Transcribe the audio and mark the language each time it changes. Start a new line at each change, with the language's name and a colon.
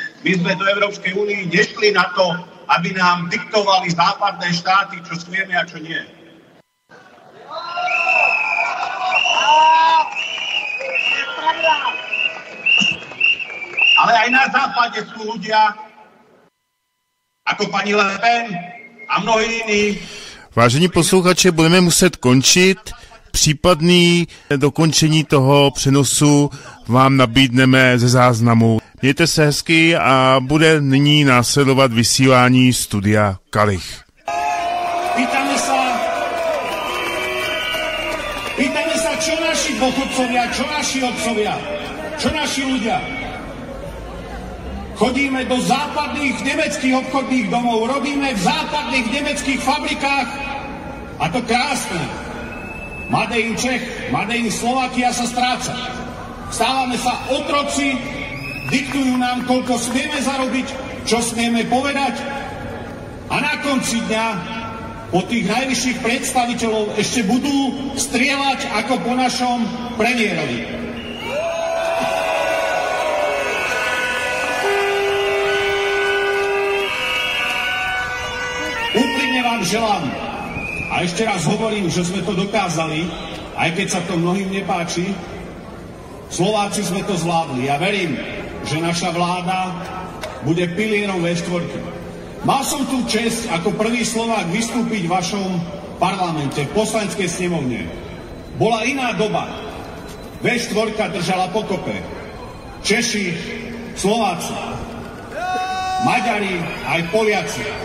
Slovak: My sme do Európskej únie nešli na to, aby nám diktovali západné štáty, čo smieme a čo nie. Ale aj na západe sú ľudia, ako pani Le Pen a mnohí iní.
Czech: Vážení posluchači, budeme muset končit. Případný dokončení toho přenosu vám nabídneme ze záznamu. Mějte se hezky a bude nyní následovat vysílání studia Kalich.
Slovak: Pýtáme se, čo naši pochodcovia, čo naši otcovia, čo naši ľudia. Chodíme do západných německých obchodních domov, robíme v západných německých fabrikách. A to krásne.
English: Made in Čech, made in Slovakia
Slovak: sa stráca. Stávame sa otroci, diktujú nám, koľko smieme zarobiť, čo smieme povedať. A na konci dňa od tých najvyšších predstaviteľov ešte budú strieľať ako po našom premiérovi. Úprimne vám želám, a ešte raz hovorím, že sme to dokázali, aj keď sa to mnohým nepáči. Slováci sme to zvládli. Ja verím, že naša vláda bude pilierom V4. Mal som tú čest ako prvý Slovák vystúpiť v vašom parlamente, v poslaneckej snemovne. Bola iná doba. V4 držala pokope. Češi, Slováci, Maďari, aj Poliaci.